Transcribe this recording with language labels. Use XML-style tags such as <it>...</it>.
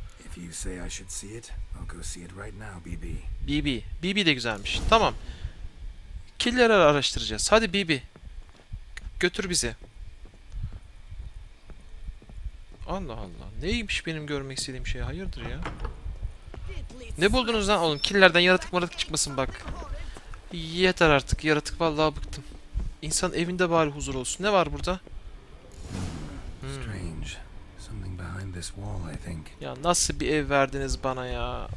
<en>If you say I should see it, I'll go see it right now, BB.</en> <tr>BB de güzelmiş. Tamam. Killer'ı araştıracağız. Hadi BB. Götür bizi. Allah Allah. Neymiş benim görmek istediğim şey? Hayırdır ya? Ne buldunuz lan oğlum? Killer'den yaratık maratık çıkmasın bak. Yeter artık. Yaratık vallahi bıktım. İnsan evinde bari huzur olsun. Ne var burada?</tr> <en>Strange. Something behind this wall, I think.</en> <tr>Ya nasıl bir ev verdiniz bana ya?</tr>